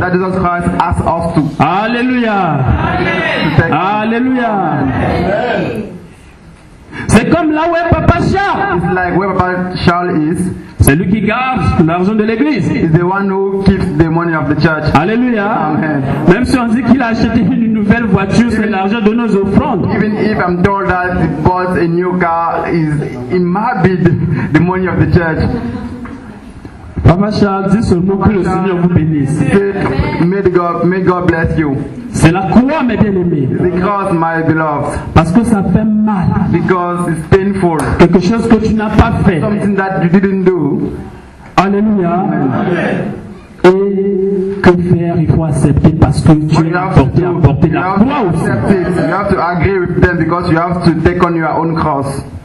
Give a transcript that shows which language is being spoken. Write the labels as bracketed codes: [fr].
[en] That Jesus Christ asks us to. Alléluia. Amen. Alléluia. Amen. [fr] C'est comme là où est Papa Charles. [en] It's like where Papa Charles is. [fr] C'est lui qui garde l'argent de l'église. [en] He's the one who keeps the money of the church. Alléluia. Amen. [fr] Même si on dit qu'il a acheté une nouvelle voiture, even, c'est l'argent de nos offrandes. [en] Even if I'm told that he bought a new car, it might be the money of the church. [fr] Papa Charles, dis seulement que le Seigneur vous bénisse. [en] May God bless you. [fr] C'est la croix, mes bien-aimés. [en] Because my beloved. [fr] Parce que ça fait mal. [en] Because it's painful. [fr] Quelque chose que tu n'as pas fait. [en] Something that you didn't do. Alléluia. Amen. [fr] Et que faire? Il faut accepter parce que tu as porté la croix. [en] You have to accept it. You have to agree with them because you have to take on your own cross.